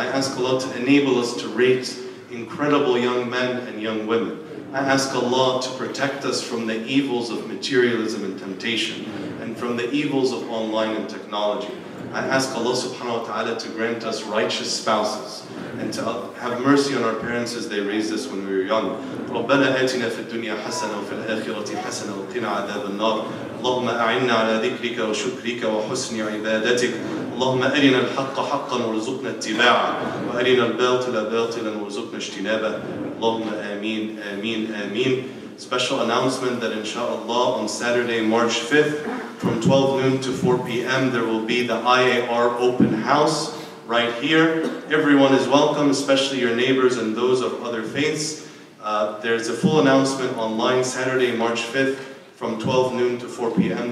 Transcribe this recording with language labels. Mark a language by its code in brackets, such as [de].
[en] I ask Allah to enable us to raise incredible young men and young women. I ask Allah to protect us from the evils of materialism and temptation, and from the evils of online and technology. I ask Allah subhanahu wa ta'ala to grant us righteous spouses, and to have mercy on our parents as they raised us when we were young. [ar] رَبَّنَا آتِنَا فِي الدُّنْيَا حَسَنًا وَفِي الْآخِرَةِ حَسَنًا وَقِنَا عَذَابَ النَّارِ اللهم أعنا على ذكرك وشكرك وحسن عبادتك اللهم أرنا الحق حقا وارزقنا اتباعه وأرنا الباطل باطلا وارزقنا اجتنابه اللهم آمين آمين آمين. [en] Special announcement that inshallah on Saturday March 5th from 12 noon to 4 p.m. there will be the IAR open house right here. Everyone is welcome, especially your neighbors and those of other faiths. There's a full announcement online Saturday March 5th from 12 noon to 4 p.m.